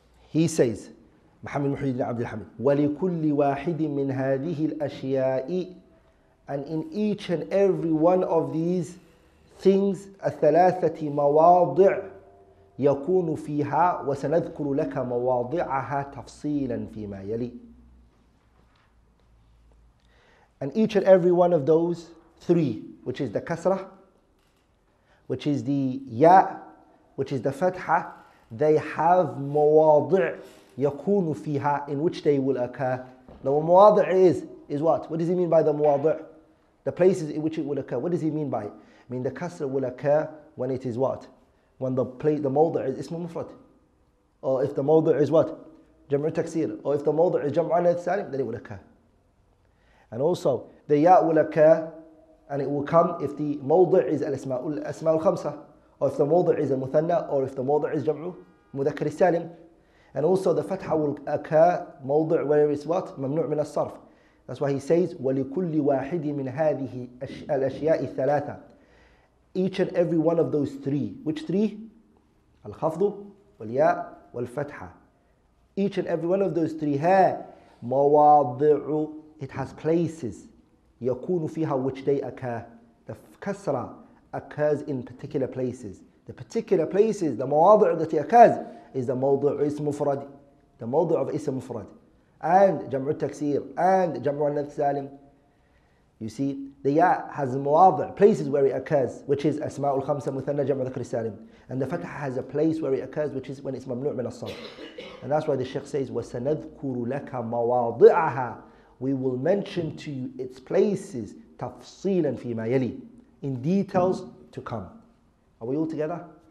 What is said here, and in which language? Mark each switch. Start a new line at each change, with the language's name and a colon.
Arabic: He says, محمد محيدين عبد الحميد ولكل واحد من هذه الأشياء,
English: and in each and every one of these things
Arabic: الثلاثة مواضع يكون فيها وسنذكر لك مواضعها تفصيلا فيما يلي.
English: And each and every one of those three, which is the kasra, which is the ya, which is the fatha, they have
Arabic: مواضع يكون فيها,
English: in which they will occur. Now, المواضع is what? What does he mean by the مواضع? The places in which it will occur. What does he mean by it? I mean, the كسر will occur when it is what? When the موضع is اسم مفرد. Or if the موضع is what? جمع تكسير. Or if the موضع is جمع عنه السالم, then it will occur. And also, the ياء will occur and it will come if the موضع is الأسماء الخمسة. Or if the موضع is المثنى. Or if the موضع is جمع مذكر السالم. And also the fatha will occur, موضع, where is what?
Arabic: ممنوع من الصرف.
English: That's why he says,
Arabic: وَلِكُلِّ وَاحِدٍ مِنْ هَذِهِ الْأَشْيَاءِ ثَلَاثًا.
English: Each and every one of those three. Which three?
Arabic: الخفض والياء والفتحة.
English: Each and every one of those three, ها مواضع, it has places,
Arabic: يكون فيها,
English: which they occur. The كسرة occurs in particular places. The particular places, the مواضع that it occurs, is the موضع اسم مفرد, the موضع of اسم مفرد, and جمع التكسير, and جمع النث سالم. You see, the ya has muwadi', places where it occurs, which is asma'ul khamsa muthanna jam' wa dhikr salim. And the fatha has a place where it occurs, which is when it's mamnu' min as-salah. And that's why the Shaykh says,
Arabic: وَسَنَذْكُرُ لَكَ مَوَاضِعَهَا.
English: We will mention to you its places,
Arabic: تَفْصِيلًا فِي مَا يَلِي,
English: in details to come. Are we all together?